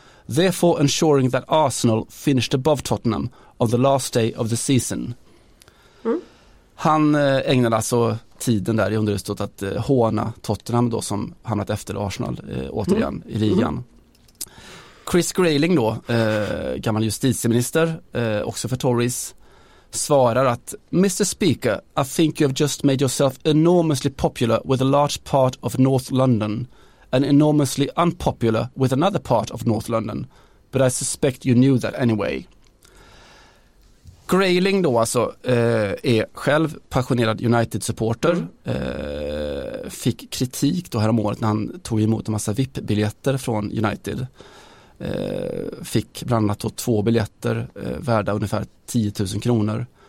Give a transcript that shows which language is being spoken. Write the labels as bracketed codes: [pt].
[en] Therefore ensuring that Arsenal finished above Tottenham on the last day of the season. Mm. [sv] Han ägnade alltså tiden där i underhuset att håna Tottenham då, som hamnat efter Arsenal återigen i ligan. Mm. Chris Grayling då, gammal justitieminister, också för Tories, svarar att Mr. [en] Speaker, I think you have just made yourself enormously popular with a large part of North London and enormously unpopular with another part of North London. But I suspect you knew that anyway. [sv] Grayling då alltså är själv passionerad United-supporter. Fick kritik då härom året när han tog emot en massa VIP-biljetter från United. Fick bland annat då 2 biljetter värda ungefär 10 000 kronor.